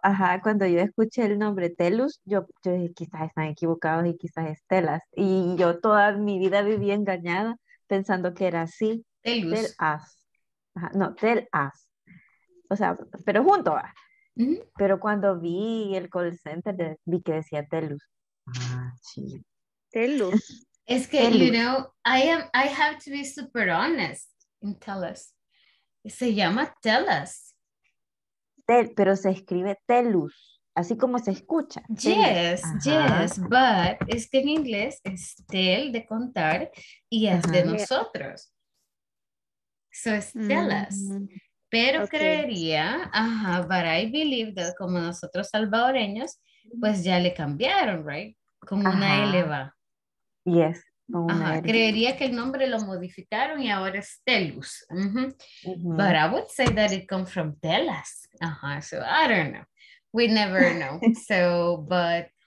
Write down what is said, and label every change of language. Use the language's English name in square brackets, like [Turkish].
[Spanish] Ajá, cuando yo escuché el nombre Telus, yo dije, quizás están equivocados y quizás es Telas. Y yo toda mi vida viví engañada pensando que era así. Telus. Tell us. Ajá, no, tell us. O sea, pero junto. Uh-huh. Pero cuando vi el call center, vi que decía Telus. Ah, sí. Telus. Es que, [English] tell you know, I have to be super honest and tell us. [Spanish] Se llama tell us. Pero se escribe telus, así como se escucha. [English] Yes, yes, but [Spanish] es que en inglés es tell de contar y es de nosotros. So es tell us. Pero creería, [English] but I believe that [Spanish] como nosotros salvadoreños, pues ya le cambiaron, [English] right? [Spanish] Con una L va. [English] Yes. [Spanish] Creería que el nombre lo modificaron y ahora es Telus. Mm-hmm. Mm-hmm. [English] But I would say that it comes from Telas. So I don't know. We never know. So, but